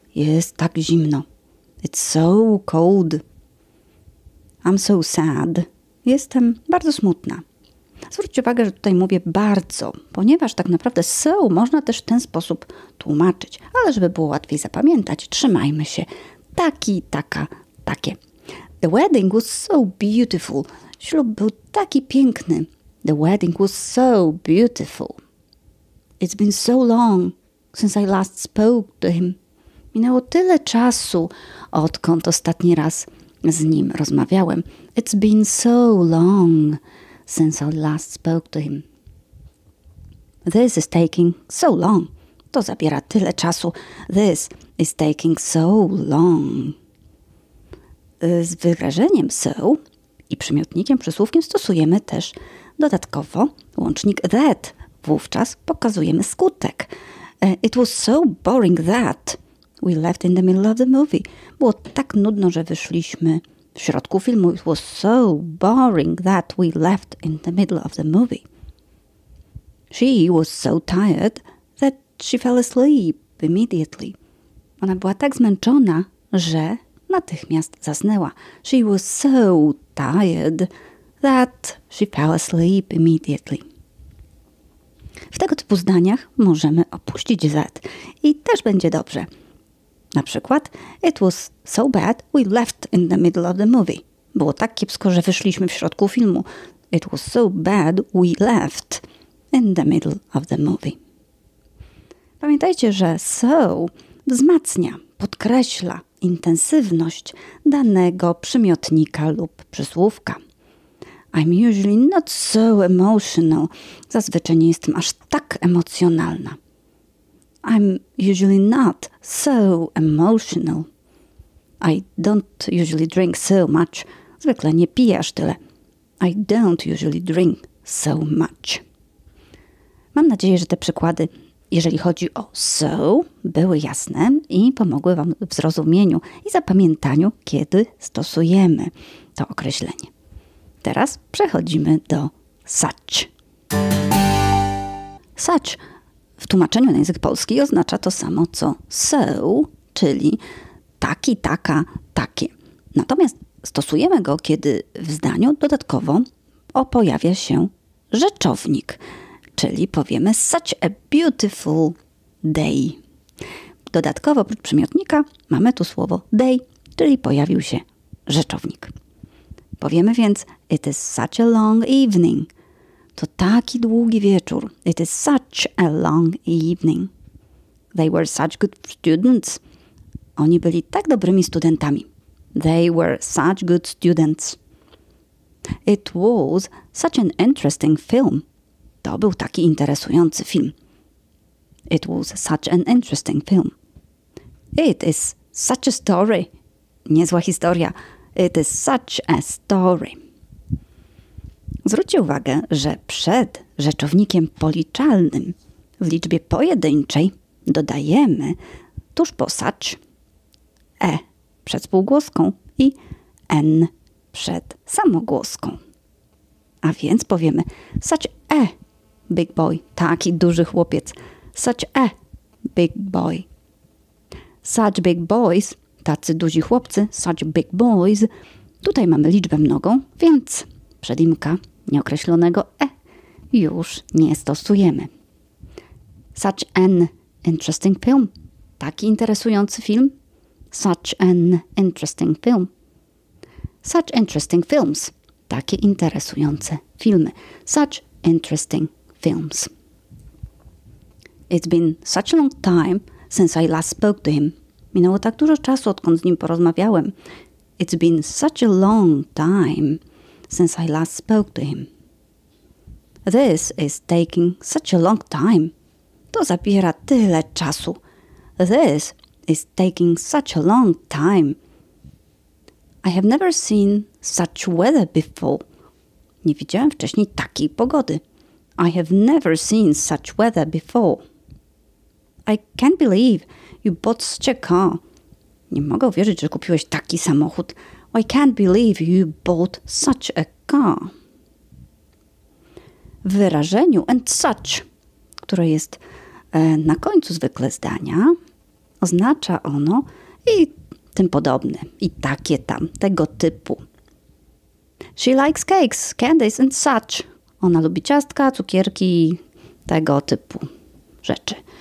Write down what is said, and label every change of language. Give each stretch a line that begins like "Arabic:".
Polish: Jest tak zimno.
English: It's so cold. I'm so sad.
Polish: Jestem bardzo smutna. Zwróćcie uwagę, że tutaj mówię bardzo, ponieważ tak naprawdę so można też w ten sposób tłumaczyć. Ale żeby było łatwiej zapamiętać, trzymajmy się. Taki, taka, takie.
English: The wedding was so beautiful.
Polish: Ślub był taki piękny.
English: The wedding was so beautiful. It's been so long since I last spoke to him.
Polish: Minęło tyle czasu, odkąd ostatni raz z nim rozmawiałem.
English: It's been so long since I last spoke to him. This is taking so long.
Polish: To zabiera tyle czasu.
English: This is taking so long.
Polish: Z wyrażeniem so i przymiotnikiem, przysłówkiem stosujemy też dodatkowo łącznik that. Wówczas pokazujemy skutek.
English: It was so boring that we left in the middle of the movie.
Polish: Było tak nudno, że wyszliśmy w środku filmu.
English: It was so boring that we left in the middle of the movie. She was so tired that she fell asleep immediately.
Polish: Ona była tak zmęczona, że natychmiast zasnęła.
English: She was so tired that she fell asleep immediately.
Polish: W tego typu zdaniach możemy opuścić that i też będzie dobrze. Na przykład,
English: it was so bad we left in the middle of the movie.
Polish: Było tak kiepsko, że wyszliśmy w środku filmu.
English: It was so bad we left in the middle of the movie.
Polish: Pamiętajcie, że so wzmacnia, podkreśla intensywność danego przymiotnika lub przysłówka.
English: I'm usually not so emotional.
Polish: Zazwyczaj nie jestem aż tak emocjonalna.
English: I'm usually not so emotional. I don't usually drink so much.
Polish: Zwykle nie piję aż tyle.
English: I don't usually drink so much.
Polish: Mam nadzieję, że te przykłady, jeżeli chodzi o so, były jasne i pomogły Wam w zrozumieniu i zapamiętaniu, kiedy stosujemy to określenie. Teraz przechodzimy do such. Such w tłumaczeniu na język polski oznacza to samo co so, czyli taki, taka, takie. Natomiast stosujemy go, kiedy w zdaniu dodatkowo pojawia się rzeczownik, czyli powiemy
English: such a beautiful day.
Polish: Dodatkowo oprócz przymiotnika mamy tu słowo day, czyli pojawił się rzeczownik. Powiemy więc
English: it is such a long evening.
Polish: To taki długi wieczór.
English: It is such a long evening. They were such good students.
Polish: Oni byli tak dobrymi studentami.
English: They were such good students. It was such an interesting film.
Polish: To był taki interesujący film.
English: It was such an interesting film. It is such a story.
Polish: Niezła historia.
English: It is such a story.
Polish: Zwróćcie uwagę, że przed rzeczownikiem policzalnym w liczbie pojedynczej dodajemy tuż po such e przed spółgłoską i n przed samogłoską. A więc powiemy
English: such a big boy,
Polish: taki duży chłopiec.
English: Such a big boy. Such big boys,
Polish: tacy duzi chłopcy,
English: such big boys.
Polish: Tutaj mamy liczbę mnogą, więc przedimka nieokreślonego e już nie stosujemy.
English: Such an interesting film,
Polish: taki interesujący film.
English: Such an interesting film. Such interesting films,
Polish: takie interesujące filmy.
English: Such interesting films. It's been such a long time since I last spoke to him.
Polish: Minęło tak dużo czasu, odkąd z nim porozmawiałem.
English: It's been such a long time since I last spoke to him. This is taking such a long time.
Polish: To zabiera tyle czasu.
English: This is taking such a long time. I have never seen such weather before.
Polish: Nie widziałem wcześniej takiej pogody.
English: I have never seen such weather before. I can't believe you bought such a car.
Polish: Nie mogę uwierzyć, że kupiłeś taki samochód.
English: I can't believe you bought such a car.
Polish: W wyrażeniu and such, które jest na końcu zwykle zdania, oznacza ono i tym podobne, i takie tam, tego typu.
English: She likes cakes, candies and such.
Polish: Ona lubi ciastka, cukierki, tego typu rzeczy.